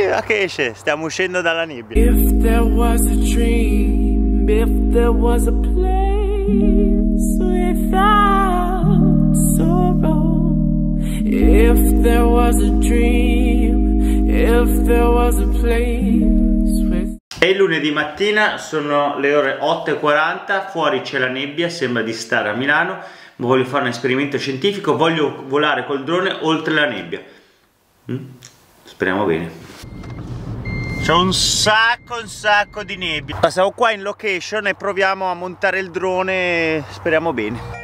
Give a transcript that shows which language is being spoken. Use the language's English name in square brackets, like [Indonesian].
[Italian] che esce, stiamo uscendo dalla nebbia. [English] If there was a dream, if there was a place without sorrow, if there was a dream, if there was a place with... [Italian] È lunedì mattina, sono le ore 8:40, fuori c'è la nebbia, sembra di stare a Milano, ma voglio fare un esperimento scientifico, voglio volare col drone oltre la nebbia. Speriamo bene. C'è un sacco di nebbia. Passiamo qua in location e proviamo a montare il drone. Speriamo bene.